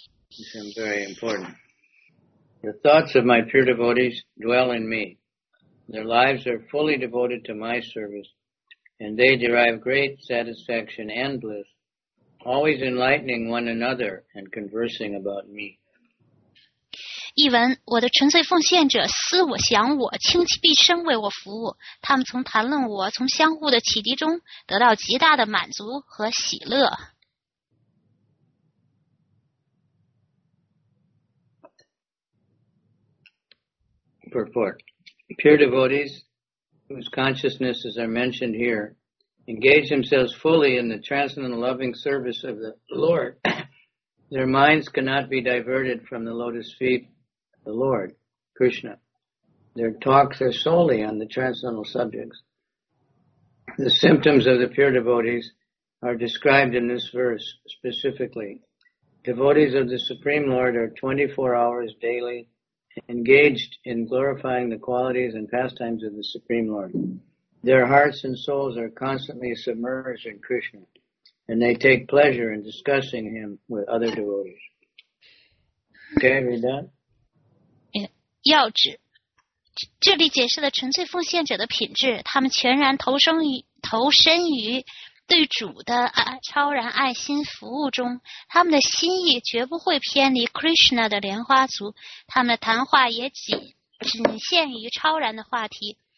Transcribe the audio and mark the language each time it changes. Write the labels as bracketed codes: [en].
[en] This is very important. The thoughts of my pure devotees dwell in me. Their lives are fully devoted to my service, and they derive great satisfaction and bliss, always enlightening one another and conversing about me. [zh] 译文：我的纯粹奉献者思我想我，倾其毕生为我服务。他们从谈论我，从相互的启迪中得到极大的满足和喜乐。 [en] Purport. Pure devotees, whose consciousness, as I mentioned here, engage themselves fully in the transcendental loving service of the Lord, their minds cannot be diverted from the lotus feet of the Lord, Krishna. Their talks are solely on the transcendental subjects. The symptoms of the pure devotees are described in this verse specifically. Devotees of the Supreme Lord are 24 hours daily. Engaged in glorifying the qualities and pastimes of the Supreme Lord. Their hearts and souls are constantly submerged in Krishna, and they take pleasure in discussing him with other devotees. Okay, read that. [zh] 要旨，这里解释了纯粹奉献者的品质，他们全然投身于对主的超然爱心服务中，他们的心意绝不会偏离 Krishna 的莲花足，他们的谈话也仅限于超然的话题。